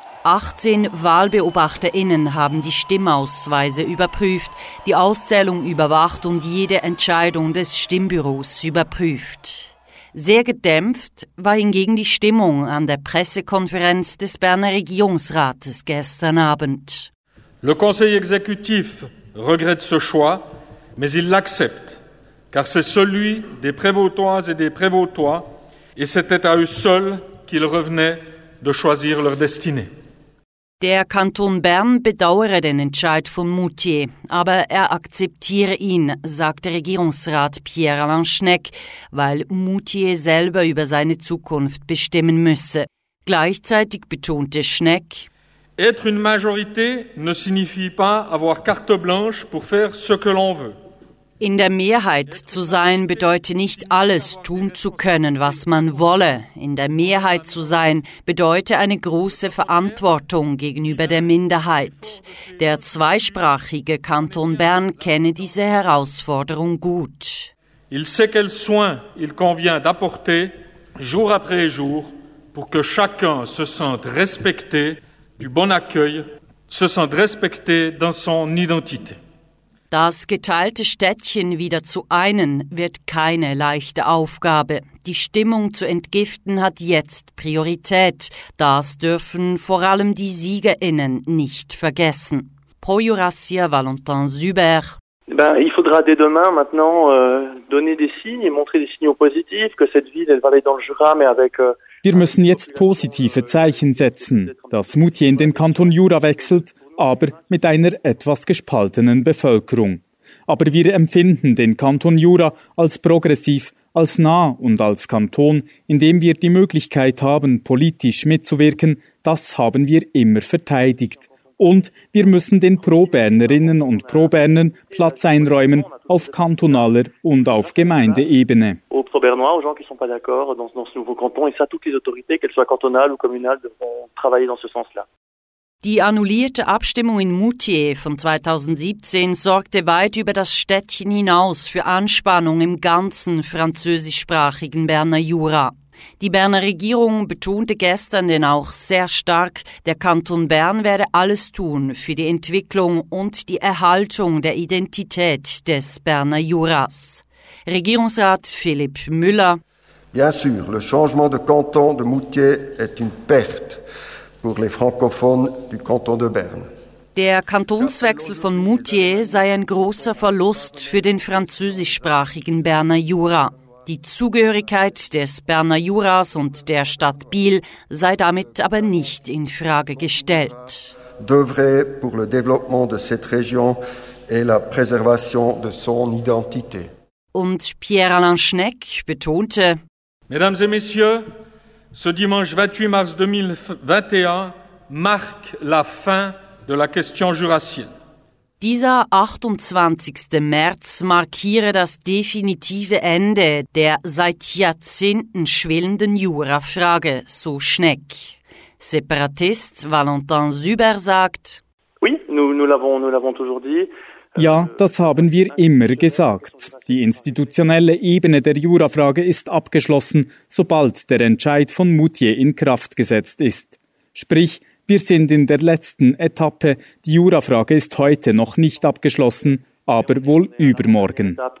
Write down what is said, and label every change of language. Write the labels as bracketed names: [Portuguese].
[German] 18 WahlbeobachterInnen haben die Stimmausweise überprüft, die Auszählung überwacht und jede Entscheidung des Stimmbüros überprüft. Sehr gedämpft war hingegen die Stimmung an der Pressekonferenz des Berner Regierungsrates gestern Abend. [French] Le conseil exécutif regrette ce choix, mais il l'accepte, car c'est celui des Prévotoises et des Prévotois, et c'était à eux seuls qu'il revenait de choisir leur destinée. [German] Der Kanton Bern bedauere den Entscheid von Moutier, aber er akzeptiere ihn, sagte Regierungsrat Pierre-Alain Schneck, weil Moutier selber über seine Zukunft bestimmen müsse. Gleichzeitig betonte Schneck, [French] Être une majorité ne signifie pas avoir carte blanche pour faire ce que l'on veut. [German] In der Mehrheit zu sein bedeutet nicht alles tun zu können, was man wolle. In der Mehrheit zu sein bedeutet eine große Verantwortung gegenüber der Minderheit. Der zweisprachige Kanton Bern kenne diese Herausforderung gut. [French] Il sait quel soin il convient d'apporter jour après jour pour que chacun se sente respecté. Du bon accueil, se sent respecté dans son identité. [German] Das geteilte Städtchen wieder zu einen wird keine leichte Aufgabe. Die Stimmung zu entgiften hat jetzt Priorität. Das dürfen vor allem die SiegerInnen nicht vergessen. Pro-Jurassier Valentin Süber. [French] Ben, il faudra dès demain maintenant donner des signes, montrer des signaux positifs, que cette ville, elle va aller dans le Jura, mais avec... [German] Wir müssen jetzt positive Zeichen setzen, dass Moutier in den Kanton Jura wechselt, aber mit einer etwas gespaltenen Bevölkerung. aber wir empfinden den Kanton Jura als progressiv, als nah und als Kanton, in dem wir die Möglichkeit haben, politisch mitzuwirken, das haben wir immer verteidigt. Und wir müssen den Pro-Bernerinnen und Pro-Bernern Platz einräumen auf kantonaler und auf Gemeindeebene. [French] Aux Pro-Bernois, aux gens qui sont pas d'accord dans ce nouveau canton, et ça toutes les autorités, qu'elles soient cantonales ou communales, devront travailler dans ce sens-là. [German] Die annullierte Abstimmung in Moutier von 2017 sorgte weit über das Städtchen hinaus für Anspannung im ganzen französischsprachigen Berner Jura. Die Berner Regierung betonte gestern denn auch sehr stark, der Kanton Bern werde alles tun für die Entwicklung und die Erhaltung der Identität des Berner Juras. Regierungsrat Philipp Müller: [French] Bien sûr, le changement de canton de Moutier est une perte pour les francophones du canton de Berne. [German] Der Kantonswechsel von Moutier sei ein großer Verlust für den französischsprachigen Berner Jura. Die Zugehörigkeit des Berner Juras und der Stadt Biel sei damit aber nicht in Frage gestellt. [French] Devrait pour le développement de cette région et la préservation de son identité. [German] Und Pierre-Alain Schneck betonte: [French] Mesdames et messieurs, ce dimanche 28 mars 2021 marque la fin de la question jurassienne. [German] Dieser 28. März markiere das definitive Ende der seit Jahrzehnten schwelenden Jura-Frage, so Schneck. Separatist Valentin Süber sagt: [French] Oui, nous l'avons toujours dit. [German] Ja, das haben wir immer gesagt. Die institutionelle Ebene der Jurafrage ist abgeschlossen, sobald der Entscheid von Moutier in Kraft gesetzt ist. Sprich, wir sind in der letzten Etappe. Die Jurafrage ist heute noch nicht abgeschlossen, aber wohl übermorgen.